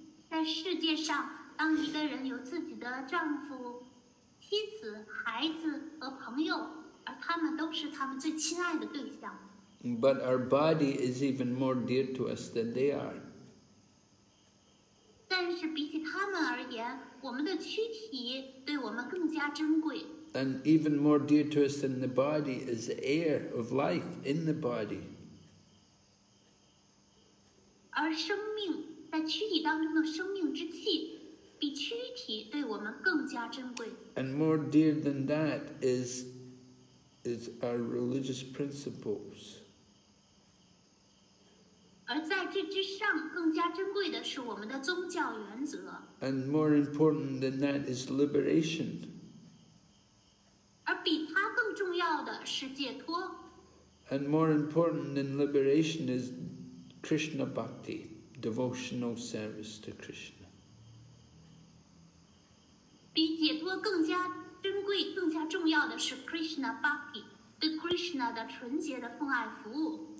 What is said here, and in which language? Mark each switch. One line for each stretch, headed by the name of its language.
Chinese: 在世界上，当一个人有自己的丈夫、妻子、孩子和朋友，而他们都是他们最亲爱的对象。
English: But our body is even more dear to us than they are.
Chinese: 但是比起他们而言，我们的躯体对我们更加珍贵。
English: And even more dear to us than the body is the air of life in the body.
Chinese: 而生命在躯体当中的生命之气，比躯体对我们更加珍贵。
English: And more dear than that is our religious principles.
Chinese: 而在这之上，更加珍贵的是我们的宗教原则。
English: And more important than that is liberation.
Chinese: 而比它更重要的是解脱。
English: And more important than liberation is Krishna bhakti, devotional service to Krishna.
Chinese: 比解脱更加珍贵、更加重要的是 Krishna bhakti, 对 Krishna 的纯洁的奉爱服务。